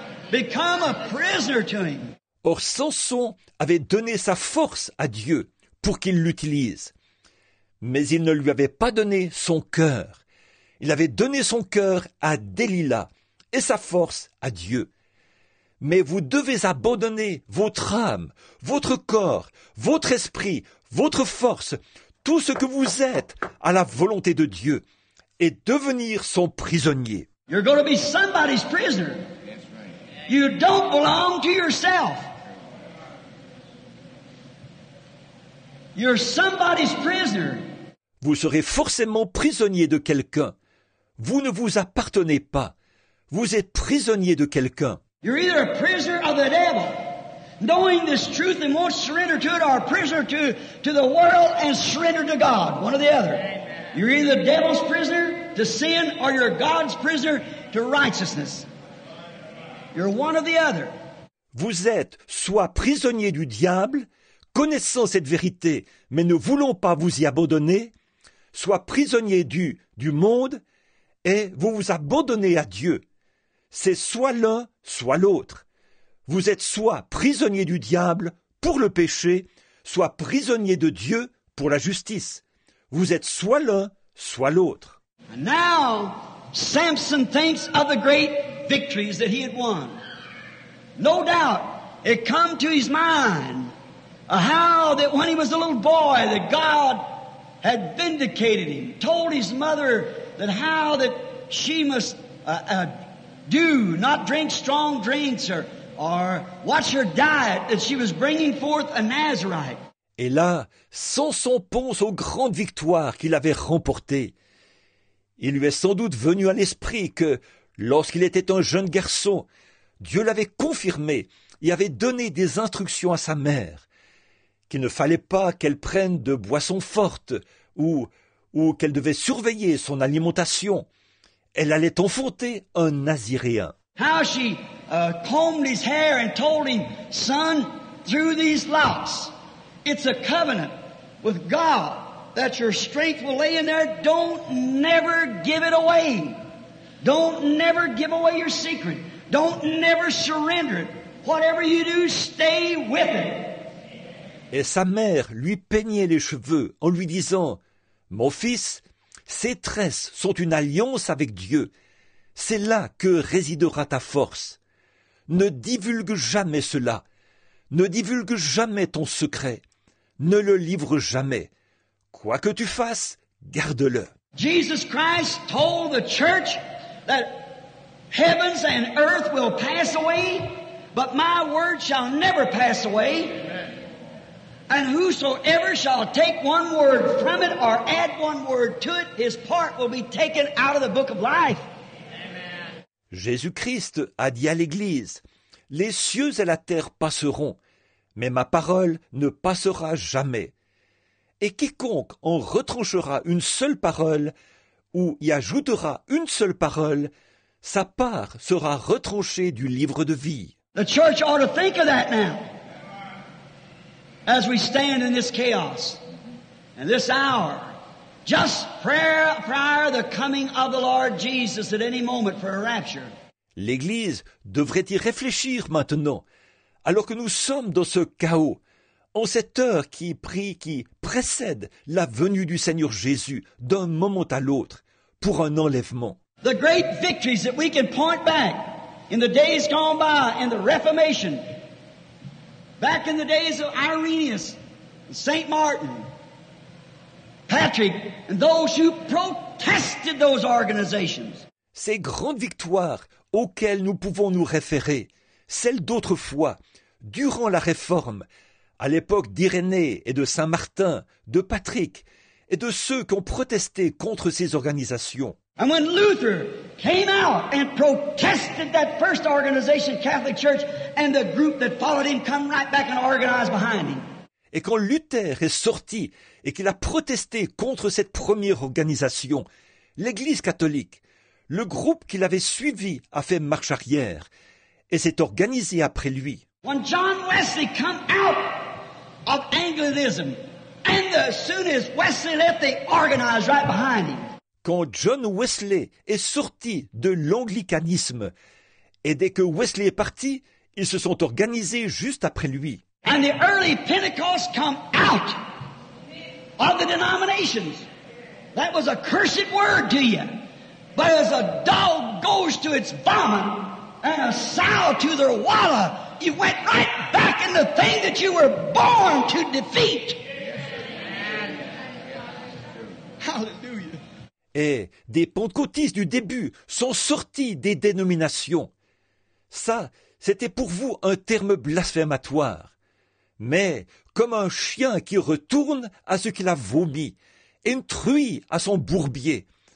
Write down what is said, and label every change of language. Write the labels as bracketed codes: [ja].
[en] Become a prisoner to him. [fr] Or Samson avait donné sa force à Dieu pour qu'il l'utilise. Mais il ne lui avait pas donné son cœur. Il avait donné son cœur à Delilah et sa force à Dieu. Mais vous devez abandonner votre âme, votre corps, votre esprit, votre force, tout ce que vous êtes à la volonté de Dieu et devenir son prisonnier. [en] You're going to be somebody's prisoner. You don't belong to yourself. You're somebody's prisoner. [fr] Vous serez forcément prisonnier de quelqu'un. Vous ne vous appartenez pas. Vous êtes prisonnier de quelqu'un. [en] You're either a prisoner of the devil, knowing this truth and won't surrender to it, or a prisoner to the world and surrender to God. One or the other. You're either the devil's prisoner to sin, or you're God's prisoner to righteousness. You're one or the other. [fr] Vous êtes soit prisonnier du diable, connaissant cette vérité, mais ne voulant pas vous y abandonner, soit prisonnier du monde, et vous vous abandonnez à Dieu. C'est soit l'un, soit l'autre. Vous êtes soit prisonnier du diable pour le péché, soit prisonnier de Dieu pour la justice. Vous êtes soit l'un, soit l'autre. [en] Now, Samson thinks of the great victories that he had won. No doubt, it come to his mind how that when he was a little boy, that God had vindicated him, told his mother that how that she must do, not drink strong drinks or watch her diet, that she was bringing forth a Nazarite. [fr] Et là, Samson pense aux grandes victoires qu'il avait remportées. Il lui est sans doute venu à l'esprit que, lorsqu'il était un jeune garçon, Dieu l'avait confirmé et avait donné des instructions à sa mère, qu'il ne fallait pas qu'elle prenne de boissons fortes ou qu'elle devait surveiller son alimentation. Elle allait enfanter un Naziréen. [en] How she combed his hair and told him, son, through these locks, it's a covenant with God that your strength will lay in there. Don't never give it away. Don't never give away your secret. Don't never surrender it. Whatever you do, stay with it. [fr] Et sa mère lui peignait les cheveux en lui disant, mon fils, ces tresses sont une alliance avec Dieu. C'est là que résidera ta force. Ne divulgue jamais cela. Ne divulgue jamais ton secret. Ne le livre jamais. Quoi que tu fasses, garde-le. [en] Jesus Christ told the church that heavens and earth will pass away, but my word shall never pass away. And whosoever shall take one word from it or add one word to it, his part will be taken out of the book of life. [fr] Jésus-Christ a dit à l'Église, « Les cieux et la terre passeront, mais ma parole ne passera jamais. Et quiconque en retranchera une seule parole ou y ajoutera une seule parole, sa part sera retranchée du livre de vie. » [en] The church ought to think of that now, as we stand in this chaos, in this hour. Just prior the coming of the Lord Jesus at any moment for a rapture. [fr] L'Église devrait y réfléchir maintenant, alors que nous sommes dans ce chaos, en cette heure qui précède la venue du Seigneur Jésus d'un moment à l'autre pour un enlèvement. [en] The great victories that we can point back in the days gone by in the Reformation, back in the days of Irenaeus, Saint Martin, Patrick, and those who protested those organizations. [fr] Ces grandes victoires auxquelles nous pouvons nous référer, celles d'autrefois, durant la Réforme, à l'époque d'Irénée et de Saint Martin, de Patrick, et de ceux qui ont protesté contre ces organisations. [en] And when Luther came out and protested that first organization, Catholic Church, and the group that followed him come right back and organized behind him. [fr] Et quand Luther est sorti et qu'il a protesté contre cette première organisation, l'Église catholique, le groupe qui l'avait suivi a fait marche arrière et s'est organisé après lui. [en] When John Wesley came out of Anglicanism, and as soon as Wesley left, they organized right behind him. [fr] Quand John Wesley est sorti de l'anglicanisme, et dès que Wesley est parti, ils se sont organisés juste après lui. [en] And the early Pentecost come out of the denominations. That was a cursed word to you. But as a dog goes to its vomit and a sow to their wallah, you went right back in the thing that you were born to defeat. Hallelujah. [fr] Et des pentecôtistes du début sont sortis des dénominations. Ça, c'était pour vous un terme blasphématoire. mais comme un chien qui retourne à ce qu'il a vomi, intruit à son bourbier.